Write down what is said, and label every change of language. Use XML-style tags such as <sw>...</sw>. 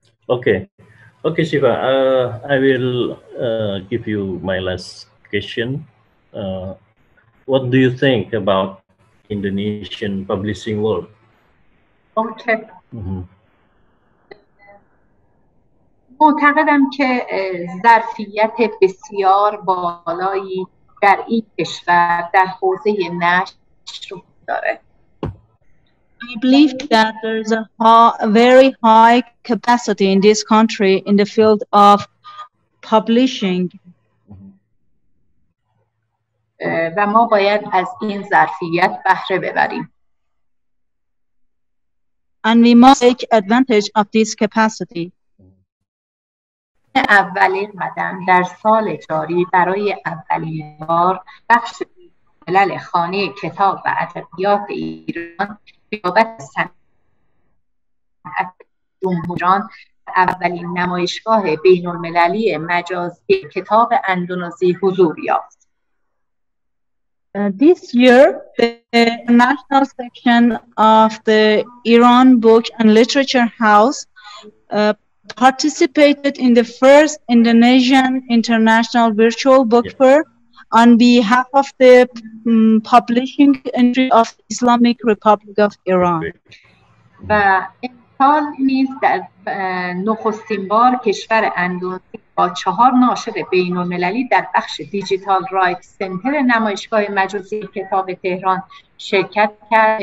<en>Okay. Okay, Shiva, I will give you my last question. What do you think about Indonesian publishing world? Okay.</en> <fa>معتقدم که ظرفیت بسیار بالایی در این کشور در حوزه نشر داره.</fa> <en>I believe that there is a very high capacity in this country in the field of publishing.</en> <fa>و ما باید از این ظرفیت بهره ببریم.</fa> <en>And we must take advantage of this capacity.</en> <fa>اولین قدم در سال جاری برای اولین بار بخش ملل خانه کتاب و ادبیات ایران بابت صنعت جمهوران اولین نمایشگاه بین المللی مجازی کتاب اندونزی حضور یافت.</fa> <en>This year, the national section of the Iran Book and Literature House participated in the first Indonesian International Virtual Book Fair on behalf of the publishing entry of Islamic Republic of Iran.</en> <fa>و این سال نیز در نخستین بار کشور اندونزی با 4 ناشر بین المللی در بخش دیجیتال رایت سنتر نمایشگاه مجازی کتاب تهران شرکت کرد.</fa>